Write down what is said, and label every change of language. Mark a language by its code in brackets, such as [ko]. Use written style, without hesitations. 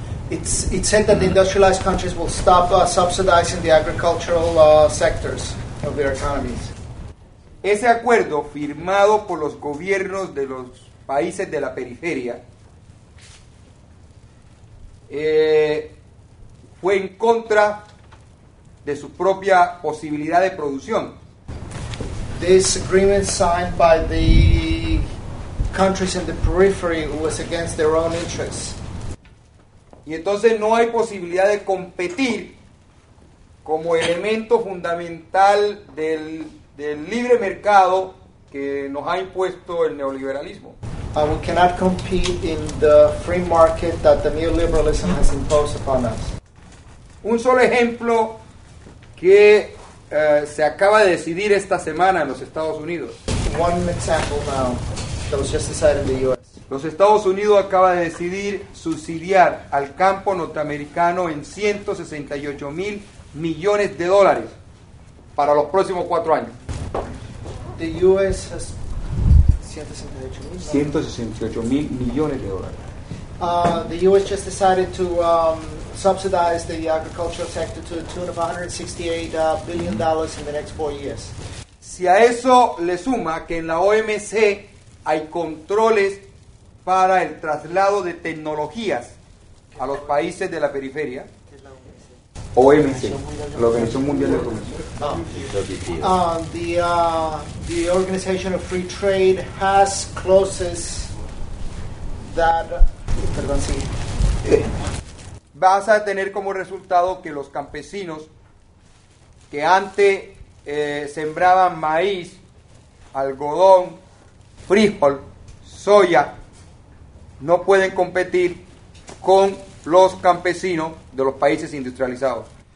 [en] it said that the industrialized countries will stop subsidizing the agricultural sectors of their economies. [es] Ese acuerdo firmado por los gobiernos de los países de la periferia fue en contra de su propia posibilidad de producción. [en] This agreement signed by the countries in the periphery was against their own interests. [es] Y entonces no hay posibilidad de competir como elemento fundamental del libre mercado que nos ha impuesto el neoliberalismo. [en] We cannot compete in the free market that the neoliberalism has imposed upon us. [es] Un solo ejemplo que se acaba de decidir esta semana en los Estados Unidos. [en] One example now that was just decided in the U.S. [es] Los Estados Unidos acaba de decidir subsidiar al campo norteamericano en 168 mil millones de dólares para los próximos 4 años. [en] The U.S. has [es] 168 mil millones de dólares. [en] The U.S. just decided to subsidize the agricultural sector to the tune of $168 billion in the next 4 years. [es] Si a eso le suma que en la OMC hay controles para el traslado de tecnologías a los países de la periferia. OMC, la Organización Mundial de Comercio. [en] The Organization of Free Trade has clauses that. [es] Perdón, sí. Vas a tener como resultado que los campesinos que antes sembraban maíz, algodón, frijol, soya, no pueden competir con los campesinos de los países industrializados.